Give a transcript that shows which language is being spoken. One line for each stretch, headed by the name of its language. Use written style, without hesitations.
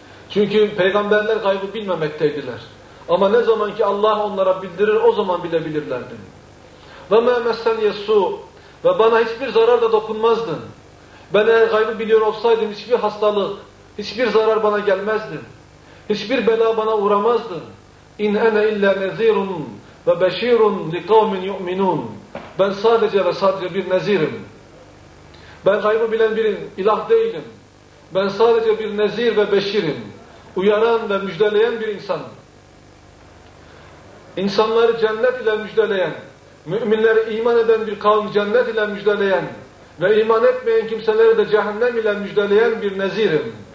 Turkish: Çünkü peygamberler gaybı bilmemekteydiler. Ama ne zaman ki Allah onlara bildirir o zaman bilebilirlerdi.
Arabic: وَمَا مَسَّنِيَ السُّٓءُ
Turkish: Ve bana hiçbir zarar da dokunmazdı. Ben eğer gaybı biliyor olsaydım hiçbir hastalık, hiçbir zarar bana gelmezdi. Hiçbir bela bana uğramazdı.
Arabic: اِنْ اَنَا اِلَّا نَذ۪يرٌ وَبَش۪يرٌ لِقَوْمٍ يُؤْمِنُونَ
Turkish: Ben sadece ve sadece bir nezirim. Ben gaybı bilen bir ilah değilim. Ben sadece bir nezir ve beşirim. Uyaran ve müjdeleyen bir insan. İnsanları cennet ile müjdeleyen, Müminleri iman eden bir kavim cennet ile müjdeleyen ve iman etmeyen kimseleri de cehennem ile müjdeleyen bir nezirim.